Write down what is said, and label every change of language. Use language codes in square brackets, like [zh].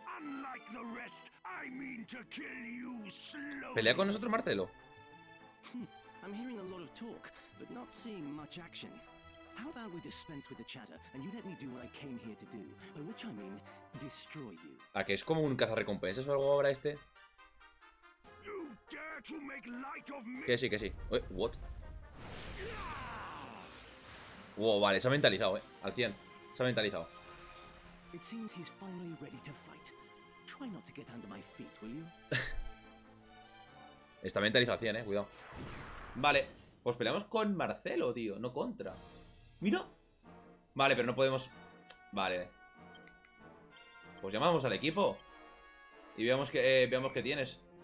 [en] Unlike the rest, I mean to kill you slowly. [es] ¿Pelea con nosotros, Marcelo? [en] I'm hearing a lot of talk, but not seeing much action. How about we dispense with the chatter and you let me do what I came here to do, by which I mean destroy you. [es] ¿A que es como un cazarrecompensas o algo ahora este? [en] You dare to make light of me. Que sí. Wait, what? [es] Wow, vale, se ha mentalizado, al 100. Se ha mentalizado. [en] It seems he's finally ready to fight. Try not to get under my feet, will you? [es] Está mentalizado al 100, cuidado. Vale, pues peleamos con Marcelo, tío, no contra. ¡Mira! Vale, pero no podemos... Vale. Pues llamamos al equipo. Y veamos qué tienes.